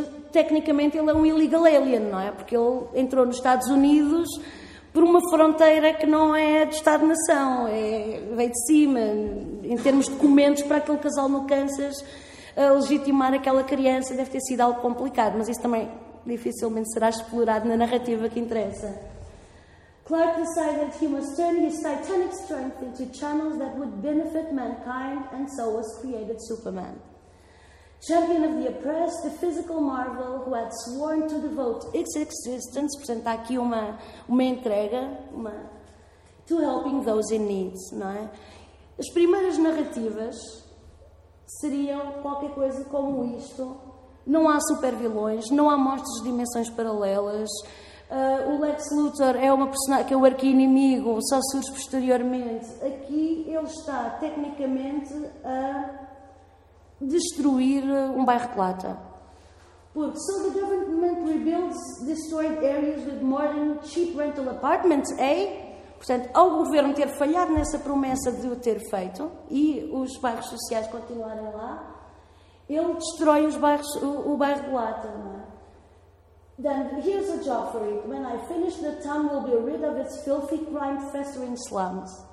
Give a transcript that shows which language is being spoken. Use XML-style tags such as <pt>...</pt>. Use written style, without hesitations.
<pt>Tecnicamente, ele é um</pt> <en>illegal alien,</en> <pt>não é? Porque ele entrou nos Estados Unidos por uma fronteira que não é de Estado-nação, veio de cima, em termos de documentos para aquele casal no Kansas, a legitimar aquela criança deve ter sido algo complicado, mas isso também dificilmente será explorado na narrativa que interessa.</pt> <en>Clark decided that he must turn his titanic strength into channels that would benefit mankind, and so was created Superman. Champion of the oppressed, the physical marvel who had sworn to devote its existence,</en> <pt>portanto, há aqui uma entrega,</pt> <en>to helping those in need,</en> <pt>não é? As primeiras narrativas seriam qualquer coisa como isto: não há super-vilões, não há monstros de dimensões paralelas, O Lex Luthor é uma personagem que é o arqui-inimigo, só surge posteriormente. Aqui ele está, tecnicamente, a destruir um bairro de lata. Porque,</pt> <en>so the government rebuilds destroyed areas with modern cheap rental apartments, eh?</en> <pt>Portanto, ao governo ter falhado nessa promessa de o ter feito e os bairros sociais continuarem lá, ele destrói os bairros, o bairro de lata, não é?</pt> <en>Then, here's a job for it. When I finish, the town will be rid of its filthy crime festering slums.</en>